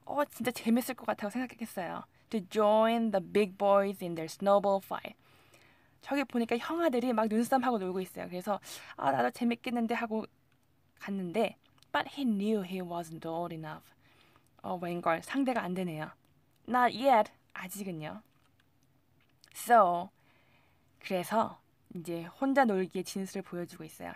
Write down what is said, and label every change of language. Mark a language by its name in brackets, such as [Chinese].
[Korean] 진짜 재밌을 것 같다고 생각했어요. [English] To join the big boys in their snowball fight. [Korean] 저기 보니까 형아들이 막 눈싸움하고 놀고 있어요. 그래서 나도 재밌겠는데 하고 갔는데, [English] but he knew he wasn't old enough. [Korean] 웬걸, 상대가 안 되네요. [English] Not yet, [Korean] 아직은요. So, 그래서 이제 혼자 놀기에 진수를 보여주고 있어요.